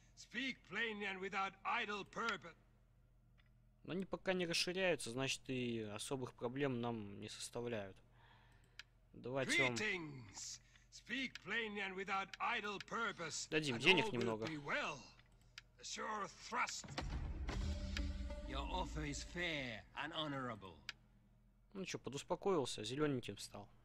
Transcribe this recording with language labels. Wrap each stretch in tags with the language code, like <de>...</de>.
<en>Speak plainly and without idle purpose.</en> <ru>Но они пока не расширяются, значит и особых проблем нам не составляют. Давайте вам...</ru> <en>Greetings. Speak plainly and without idle purpose.</en> <ru>Дадим денег немного.</ru> <en>Sure thrust. Your offer is fair and honorable.</en> <ru>Ну что, подуспокоился, зелененьким стал.</ru>